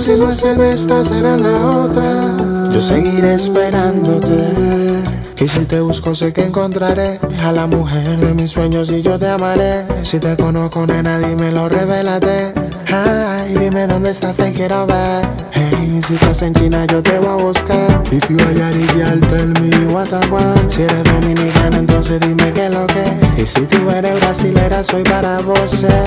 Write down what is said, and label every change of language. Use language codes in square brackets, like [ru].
[es] Si no es en esta, será la otra. Yo seguiré esperándote. Y si te busco, sé que encontraré a la mujer de mis sueños y yo te amaré. Si te conozco, nena, dímelo, revélate. Ay, dime dónde estás, te quiero ver. Hey, si estás en China, yo te voy a buscar. [en] If you are Yarigyal, tell me what I want. [es] Si eres dominicana, entonces dime qué lo que. Y si tú eres brasilera, soy para vos.